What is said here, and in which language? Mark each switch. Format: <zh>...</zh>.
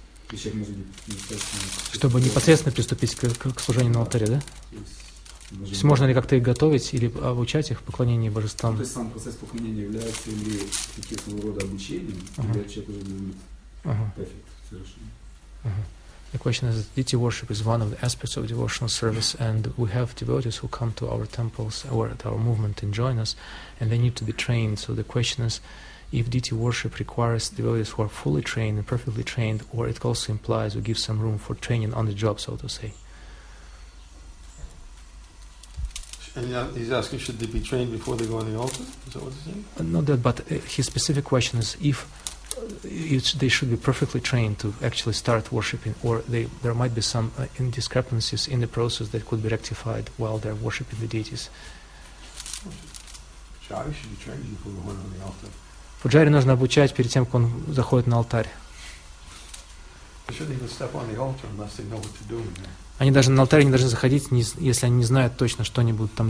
<ru>И человек может быть достаточно... Чтобы непосредственно приступить к служению, да, на алтаре, да? То есть можно ли как-то их готовить или обучать их в поклонении божествам? Ну, то есть сам процесс поклонения является или каким-то рода обучением, или человек уже будет perfect, совершенно.</ru> <en>The question is, deity worship is one of the aspects of devotional service, and we have devotees who come to our temples or at our movement and join us, and they need to be trained. So the question is, if deity worship requires devotees who are fully trained and perfectly trained, or it also implies or gives some room for training on the job, so to say. And he's asking, should they be trained before they go on the altar? Is that what he's saying? Not that, but his specific question is if they should be perfectly trained to actually start worshipping, or there might be some indiscrepancies in the process that could be rectified while they're worshipping the deities. Pujari should be trained before going on the altar.</en> <ru>Pujari нужно обучать перед тем, как он заходит на алтарь.</ru> <en>They shouldn't even step on the altar unless they know what to do in there.</en> <ru>Они даже на алтарь не должны заходить, если они не знают точно, что они будут там</ru>